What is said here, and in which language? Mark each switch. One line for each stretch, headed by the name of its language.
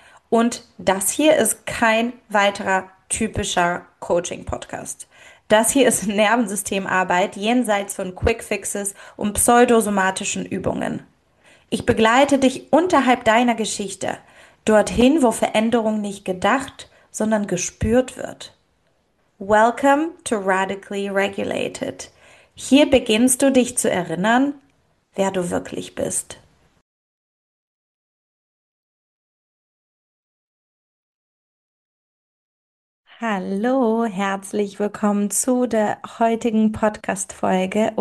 German: Und das hier ist kein weiterer typischer Coaching-Podcast. Das hier ist Nervensystemarbeit jenseits von Quickfixes und pseudosomatischen Übungen. Ich begleite dich unterhalb deiner Geschichte, dorthin, wo Veränderung nicht gedacht, sondern gespürt wird.
English: Welcome to Radically Regulated.
German: Hier beginnst du dich zu erinnern, wer du wirklich bist. Hallo, herzlich willkommen zu der heutigen Podcast-Folge.